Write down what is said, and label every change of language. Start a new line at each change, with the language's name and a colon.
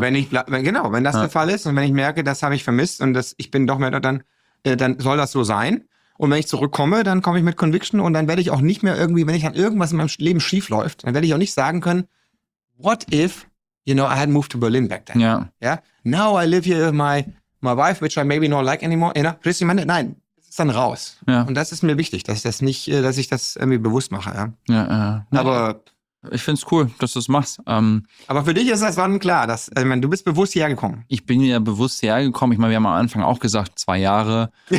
German: Wenn das der Fall ist und wenn ich merke, das habe ich vermisst und das, ich bin doch mehr da, dann soll das so sein. Und wenn ich zurückkomme, dann komme ich mit Conviction und dann werde ich auch nicht mehr irgendwie, wenn ich an irgendwas in meinem Leben schief läuft, dann werde ich auch nicht sagen können,
English: what if, you know, I had moved to Berlin back then.
German: Ja.
English: Yeah? Now I live here with my wife, which I maybe not like anymore. You know?
German: Meine, nein, das ist dann raus. Ja. Und das ist mir wichtig, dass ich das nicht, dass ich das irgendwie bewusst mache. Ja, ja. Aber ich finde es cool, dass du es machst. Aber für dich ist das dann klar, dass, also, ich mein, du bist bewusst hergekommen. Ich bin ja bewusst hergekommen. Ich meine, wir haben am Anfang auch gesagt, 2 Jahre.